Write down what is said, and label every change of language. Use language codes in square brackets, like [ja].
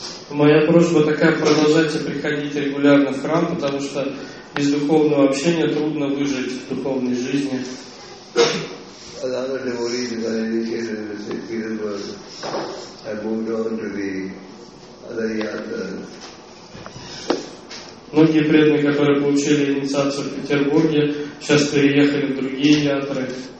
[ru] Моя просьба такая продолжайте приходить регулярно в храм, потому что без духовного общения трудно выжить в духовной жизни. [en] other devotees got initiated in St. Petersburg and moved on to the other yatras. [ru] Многие преданные, которые получили инициацию в Петербурге, сейчас переехали в другие ятры.